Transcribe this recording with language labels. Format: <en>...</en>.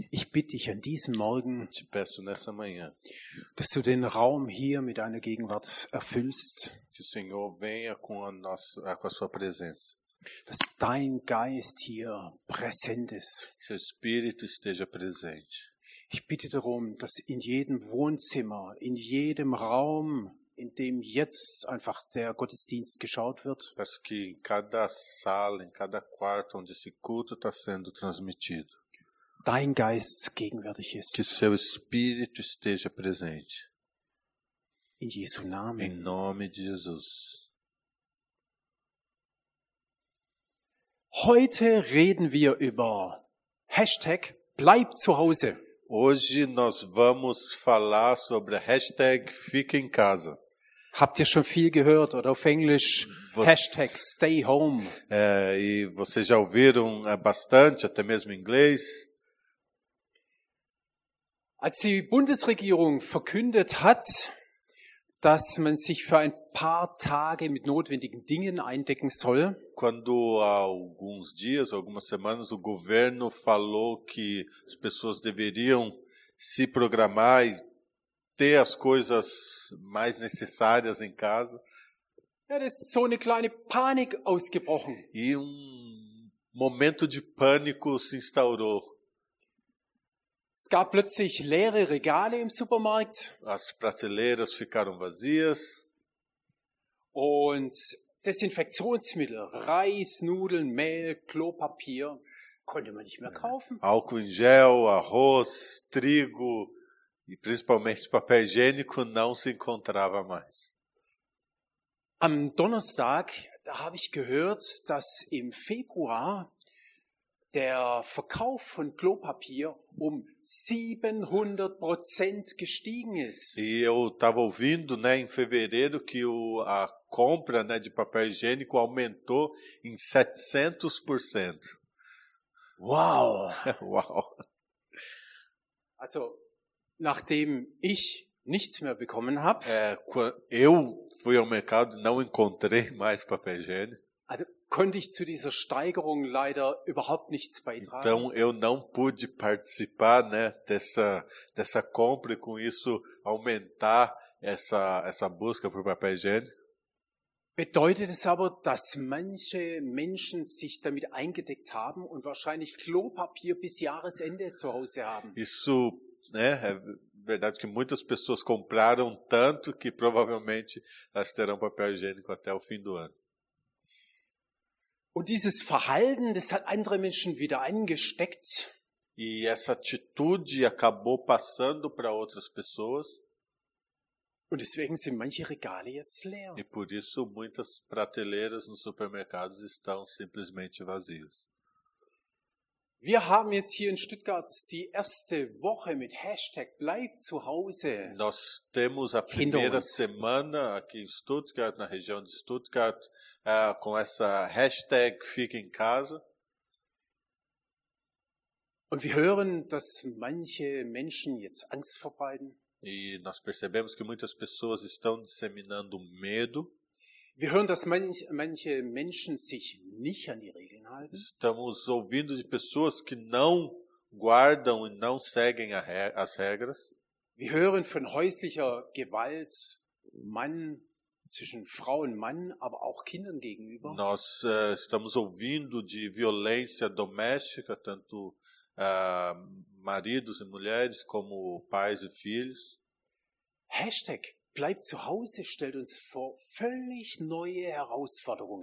<de>Ich bitte dich an diesem Morgen.</de> <pt>Te peço nessa manhã,</pt> <de>dass du den Raum hier mit deiner Gegenwart erfüllst.</de> <pt>Que o Senhor venha com a sua presença.</pt> <de>Dass dein Geist hier präsent ist.</de> <pt>Que seu Espírito esteja presente.</pt> <de>Ich bitte darum, dass in jedem Wohnzimmer, in jedem Raum, in dem jetzt einfach der Gottesdienst geschaut wird,</de> <pt>peço que em cada sala, em cada quarto onde esse culto está sendo transmitido,</pt> <de>dein Geist gegenwärtig ist.</de> <pt>Que seu Espírito esteja presente.</pt> <de>In Jesu Namen.</de> <pt>Em nome de Jesus.</pt> <de>Heute reden wir über Hashtag Bleib zu Hause.</de> <pt>Hoje nós vamos falar sobre a hashtag Fique em Casa.</pt> <de>Habt ihr schon viel gehört oder auf Englisch Hashtag</de> <en>Stay Home?</en> <pt>E vocês já ouviram bastante, até mesmo em inglês?</pt> <de>Als die Bundesregierung verkündet hat, dass man sich für ein paar Tage mit notwendigen Dingen eindecken soll.</de> <pt>Quando há alguns dias, algumas semanas, o governo falou que as pessoas deveriam se programar e ter as coisas mais necessárias em casa.</pt> <de>Ja, das ist so eine kleine Panik ausgebrochen.</de> <pt>E momento de pânico se instaurou.</pt> <de>Es gab plötzlich leere Regale im Supermarkt.</de> <pt>As prateleiras ficaram vazias.</pt> <de>Und Desinfektionsmittel, Reis, Nudeln, Mehl, Klopapier, konnte man nicht mehr kaufen.</de> <pt>Álcool em gel, arroz, trigo e principalmente papel higiênico não se encontrava mais.</pt> <de>Am Donnerstag habe ich gehört, dass im Februar der Verkauf von Klopapier um 700% gestiegen ist.</de> <pt>E eu estava ouvindo, né, em fevereiro que a compra, né, de papel higiênico aumentou em 700%. Wow! Wow!</pt> <de>Also, nachdem ich nichts mehr bekommen habe,</de> <pt>eu fui ao mercado e não encontrei mais papel higiênico.</pt> <de>Also konnte ich zu dieser Steigerung leider überhaupt nichts beitragen.</de> <pt>Então eu não pude participar, né, dessa compra e com isso aumentar essa busca por papel higiênico.</pt> <de>Bedeutet es aber, dass manche Menschen sich damit eingedeckt haben und wahrscheinlich Klopapier bis Jahresende zu Hause haben.</de> <pt>Isso, né, é verdade que muitas pessoas compraram tanto que provavelmente elas terão papel higiênico até o fim do ano.</pt> <de>Und dieses Verhalten, das hat andere Menschen wieder angesteckt.</de> <pt>E essa atitude acabou passando para outras pessoas.</pt> <de>Und deswegen sind manche Regale jetzt leer.</de> <pt>E por isso muitas prateleiras nos supermercados estão simplesmente vazias.</pt> <de>Wir haben jetzt hier in Stuttgart die erste Woche mit Hashtag Bleib zu Hause.</de> <pt>Nós temos a primeira semana aqui em Stuttgart, na região de Stuttgart, com essa hashtag Fique em Casa.</pt> <de>Und wir hören, dass manche Menschen jetzt Angst verbreiten.</de> <pt>E nós percebemos que muitas pessoas estão disseminando medo.</pt> <de>Wir hören, dass manche Menschen sich nicht an die Regeln halten.</de> <pt>Estamos ouvindo de pessoas que não guardam e não seguem as regras.</pt> <de>Wir hören von häuslicher Gewalt, Mann zwischen Frau und Mann, aber auch Kindern gegenüber.</de> <pt>Nós estamos ouvindo de violência doméstica, tanto maridos e mulheres, como pais e filhos.</pt> <de>Hashtag Bleib zu Hause stellt uns vor völlig neue Herausforderungen.</de>